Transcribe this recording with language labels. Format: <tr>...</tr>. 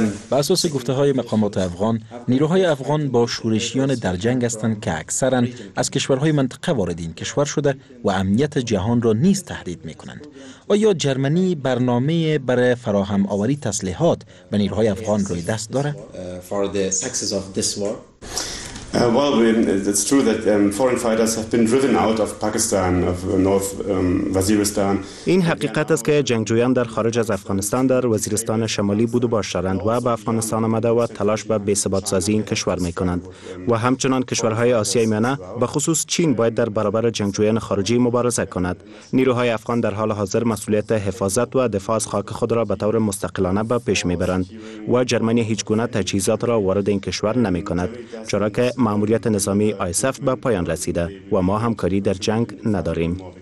<fa>به اساس گفته‌های مقامات افغان، نیروهای افغان با شورشیان در جنگ هستند که اکثراً از کشورهای منطقه وارد این کشور شده و امنیت جهان را نیز تهدید می‌کنند. آیا جرمنی برنامه برای فراهم آوری تسلیحات به نیروهای افغان روی دست دارد؟</fa> <en>It's true that foreign fighters have been driven out of Pakistan, of North Waziristan.</en> <fa>این حقیقت است که جنگجویان در خارج از افغانستان در وزیرستان شمالی بود و باش دارند و به افغانستان آمده و تلاش به بی‌ثبات سازی این کشور می کنند. و همچنان کشورهای آسیای میانه به خصوص چین باید در برابر جنگجویان خارجی مبارزه کند. نیروهای افغان در حال حاضر مسئولیت حفاظت و دفاع از خاک خود را به طور مستقلانه به پیش می برند و جرمنی هیچ گونه تجهیزات را وارد این کشور نمی کند، چرا که ماموریت نظامی ISAF به پایان رسیده و ما همکاری در جنگ نداریم.</fa>